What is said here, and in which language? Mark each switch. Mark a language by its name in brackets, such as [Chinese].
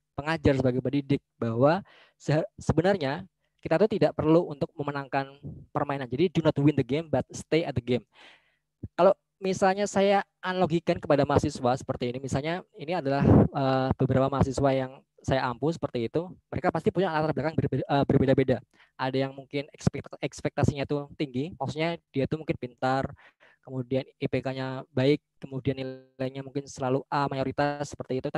[Indonesian] pengajar, sebagai pendidik, bahwa sebenarnya kita tuh tidak perlu untuk memenangkan permainan. Jadi [English] do not win the game, but stay at the game. [Indonesian] Kalau misalnya saya analogikan kepada mahasiswa seperti ini, misalnya ini adalah beberapa mahasiswa yang saya ampuh seperti itu, mereka pasti punya latar belakang berbeda-beda. Ada yang mungkin ekspektasinya tuh tinggi, maksudnya dia tuh mungkin pintar, kemudian IPK-nya baik, kemudian nilainya mungkin selalu A mayoritas seperti itu.